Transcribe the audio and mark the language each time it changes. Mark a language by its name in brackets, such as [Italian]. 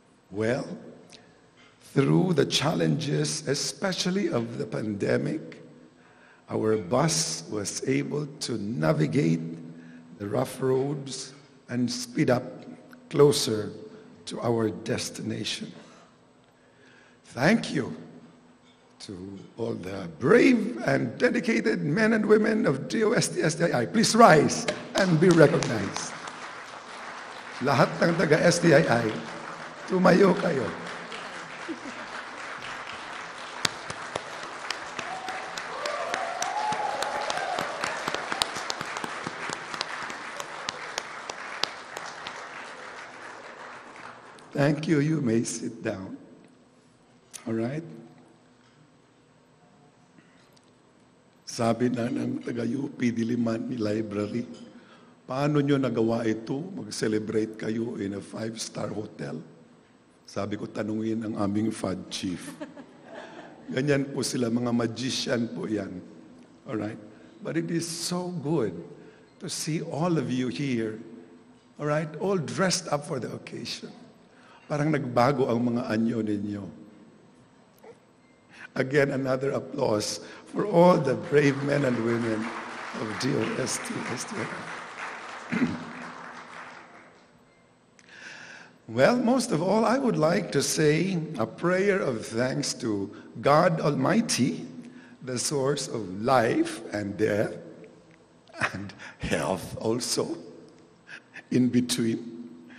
[English] Well, through the challenges, especially of the pandemic, our bus was able to navigate the rough roads and speed up closer to our destination. Thank you to all the brave and dedicated men and women of DOST-STII. Please rise and be recognized. [Filipino] Lahat ng taga-STII, tumayo kayo. [English] Thank you. You may sit down. All right? [Filipino] Sabi na ng taga-UP Diliman Library, paano nyo nagawa ito? Mag-celebrate kayo [English] in a 5-star hotel? [Filipino] Sabi ko, tanungin ang aming FUD chief. Ganyan po sila, mga magician po yan. All right? [English] But it is so good to see all of you here, all right? All dressed up for the occasion. [Filipino] Parang nagbago ang mga anyo ninyo. [English] Again, another applause for all the brave men and women of DOST-STII. Well, most of all, I would like to say a prayer of thanks to God Almighty, the source of life and death, and health also, in between.